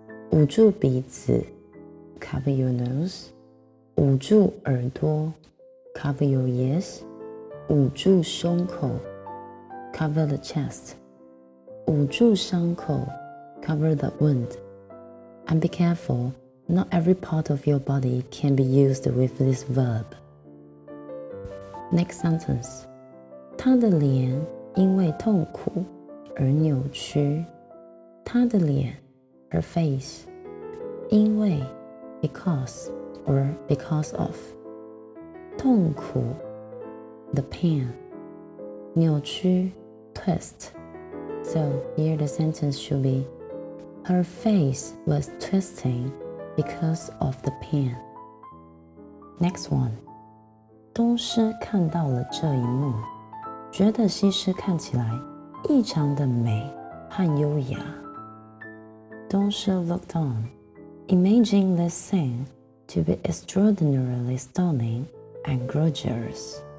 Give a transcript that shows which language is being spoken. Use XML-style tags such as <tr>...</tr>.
<zh>捂住鼻子</zh> <en>cover your nose.</en> <zh>捂住耳朵</zh> <en>cover your ears.</en> <zh>捂住胸口</zh> <en>cover the chest.</en> <zh>捂住伤口</zh> <en>cover the wound. And be careful, not every part of your body can be used with this verb. Next sentence.</en> <zh>她的脸因为痛苦而扭曲。她的脸</zh> <en>her face, 因为 because, or because of. 痛苦 the pain, 扭曲 twist. So here the sentence should be, her face was twisting because of the pain. Next one.</en> <zh>东施看到了这一幕，觉得西施看起来异常的美和优雅。</zh> <en>东施 looked on, imagining this scene to be extraordinarily stunning and gorgeous.</en>